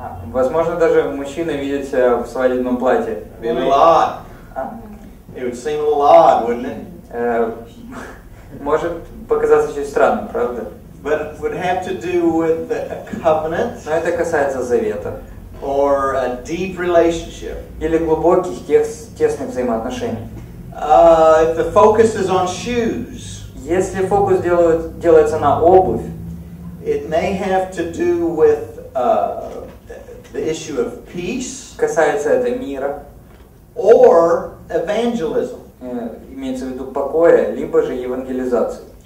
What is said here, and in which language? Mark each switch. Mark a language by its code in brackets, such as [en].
[ru] Возможно, даже мужчины видят себя в свадебном платье. [en] Be a lot. It would seem a little odd, wouldn't it? [ru] Может показаться очень странным, правда? [en] But it would have to do with the covenant. [ru] Но это касается завета. [en] or a deep relationship. [ru] Или глубоких тесных взаимоотношений. [en] If the focus is on shoes. [ru] Если фокус делается на обувь, [en] it may have to do with the issue of peace. [ru] Касается это мира. [en] Or evangelism. [ru] Имеется в виду покоя, либо же евангелизации.